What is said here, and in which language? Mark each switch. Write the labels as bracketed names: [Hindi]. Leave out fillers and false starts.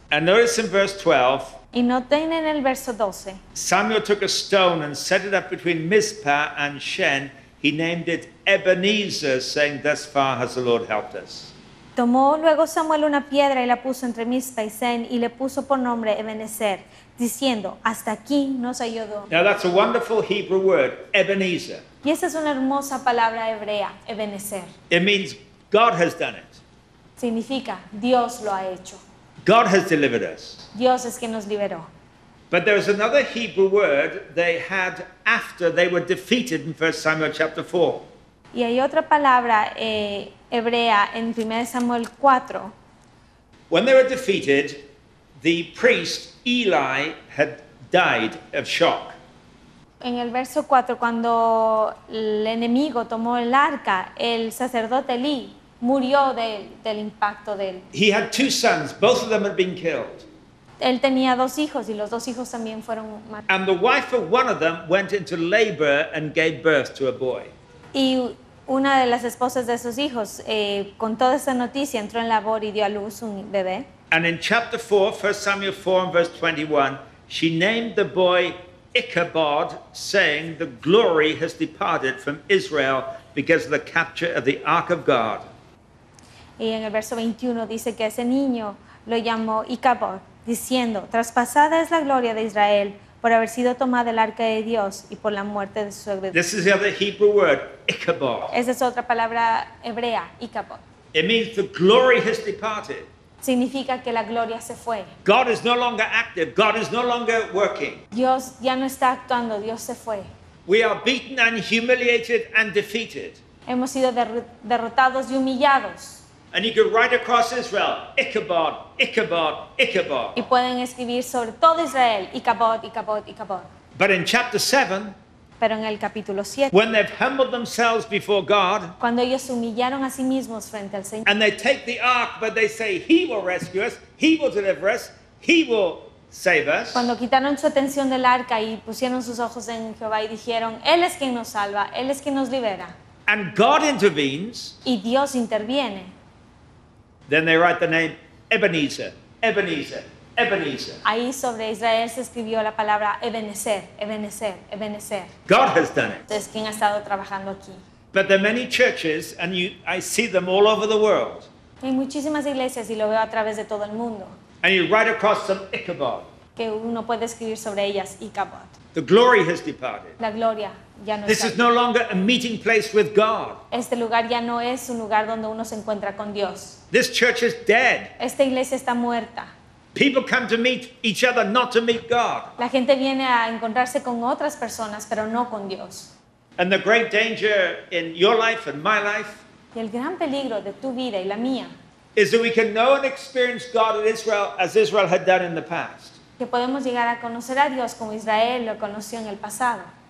[English] And notice in verse 12, [Spanish] y noten en el verso 12, [English] Samuel took a stone and set it up between Mizpah and Shen. He named it Ebenezer, saying, thus far has the Lord helped us. [Spanish] Tomó luego Samuel una piedra y la puso entre Mizpah y Shen y le puso por nombre Ebenezer, diciendo, hasta aquí nos ayudó. [English] Now that's a wonderful Hebrew word, Ebenezer. [Spanish] Y esa es una hermosa palabra hebrea, Ebenezer. [English] It means God has done it. [Spanish] Significa Dios lo ha hecho. [English] God has delivered us. [Spanish] Dios es quien nos liberó. [English] But there is another Hebrew word they had after they were defeated in 1 Samuel chapter 4. [Spanish] Y hay otra palabra hebrea en 1 Samuel 4. [English] When they were defeated, the priest Eli had died of shock. [Spanish] En el verso 4, cuando el enemigo tomó el arca, el sacerdote Eli murió del impacto de él. [English] He had two sons, both of them had been killed. [Spanish] Él tenía dos hijos y los dos hijos también fueron matados. [English] And the wife of one of them went into labor and gave birth to a boy. [Spanish] Y una de las esposas de esos hijos, con toda esa noticia, entró en labor y dio a luz un bebé. [English] And in chapter 4, 1 Samuel 4 and verse 21, she named the boy Ichabod, saying, the glory has departed from Israel because of the capture of the Ark of God. [Spanish] Y en el verso 21 dice que ese niño lo llamó Ichabod, diciendo, traspasada es la gloria de Israel por haber sido tomada el Arca de Dios y por la muerte de su suegro. [English] This is the other Hebrew word, Ichabod. [Spanish] Esa es otra palabra hebrea, Ichabod. [English] It means the glory has departed. [Spanish] Significa que la gloria se fue. [English] God is no longer active. God is no longer working. [Spanish] Dios ya no está actuando. Dios se fue. [English] We are beaten and humiliated and defeated. [Spanish] Hemos sido derrotados y humillados. [English] And you could write across Israel, Ichabod, Ichabod, Ichabod. [Spanish] Y pueden escribir sobre todo Israel, Ichabod, Ichabod, Ichabod. [English] But in chapter 7, [Spanish] Pero en el capítulo 7, [English] when they've humbled themselves before God, [Spanish] cuando ellos se humillaron a sí mismos frente al Señor, [English] and they take the ark, but they say, He will rescue us, He will deliver us, He will save us. [Spanish] Cuando quitaron su atención del arca y pusieron sus ojos en Jehová y dijeron, Él es quien nos salva, Él es quien nos libera. [English] And God intervenes. [Spanish] Y Dios interviene. [English] Then they write the name Ebenezer, Ebenezer. Ebenezer. [Spanish] Ahí sobre Israel se escribió la palabra Ebenezer, Ebenezer, Ebenezer. [English] God has done it. [Spanish] Es quien ha estado trabajando aquí. [English] But there are many churches, and I see them all over the world. [Spanish] Hay muchísimas iglesias y lo veo a través de todo el mundo. [English] And you write across them Ichabod. [Spanish] Que uno puede escribir sobre ellas Ichabod. [English] The glory has departed. [Spanish] La gloria ya no. [English] This is no longer a meeting place with God. [Spanish] Este lugar ya no es un lugar donde uno se encuentra con Dios. [English] This church is dead. [Spanish] Esta iglesia está muerta. [English] People come to meet each other, not to meet God. [Spanish] La gente viene a encontrarse con otras personas, pero no con Dios. [English] And the great danger in your life and my life, [Spanish] y el gran peligro de tu vida y la mía, [English] is that we can know and experience God in Israel as Israel had done in the past. [Spanish] Que podemos llegar a conocer a Dios como Israel lo conoció en el pasado.